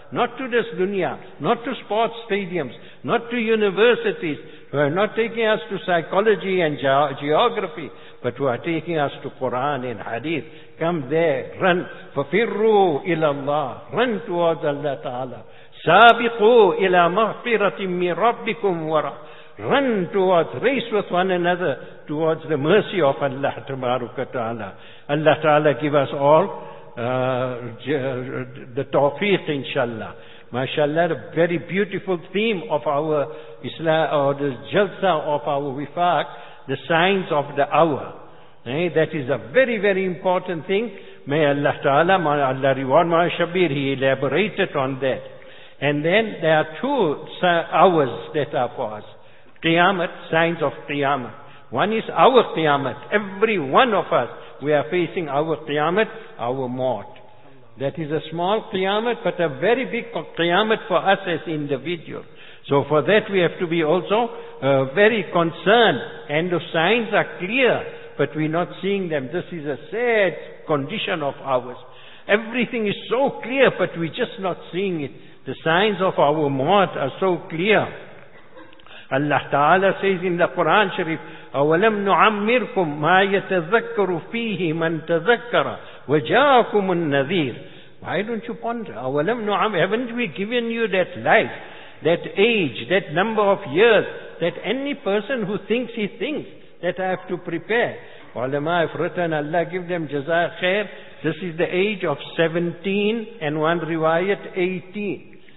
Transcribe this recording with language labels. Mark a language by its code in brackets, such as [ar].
[en] Not to this dunya, not to sports stadiums, not to universities, who are not taking us to psychology and geography, but who are taking us to Quran and Hadith. Come there, run. [ar] Fafirru ila Allah. [en] Run towards Allah Ta'ala. [ar] سابقوا إلى مغفرة من ربكم ورا. [en] Run towards, race with one another towards the mercy of Allah Tabaraka Ta'ala. Allah Ta'ala give us all the tawfiq inshallah. MashaAllah, a very beautiful theme of our Islam, or the jalsa of our wifaq, the signs of the hour. That is a very, very important thing. May Allah Ta'ala, Allah reward my Shabir, he elaborated on that. And then there are two hours that are for us. Qiyamah, signs of Qiyamah. One is our Qiyamah. Every one of us, we are facing our Qiyamah, our mort. That is a small Qiyamah, but a very big Qiyamah for us as individuals. So for that we have to be also very concerned. And the signs are clear, but we're not seeing them. This is a sad condition of ours. Everything is so clear, but we're just not seeing it. The signs of our maut are so clear. Allah Ta'ala says in the Quran Sharif, [ar] أَوَلَمْ نُعَمِّرْكُمْ مَا يَتَذَكَّرُ فِيهِ مَنْ تَذَكَّرَ وَجَاءَكُمُ النَّذِيرُ. [en] Why don't you ponder? [ar] أَوَلَمْ نُعَمِّرْ. [en] Haven't we given you that life, that age, that number of years, that any person who thinks he thinks that I have to prepare? Ulama have written, Allah give them jaza khair. This is the age of 17 and one riwayat 18.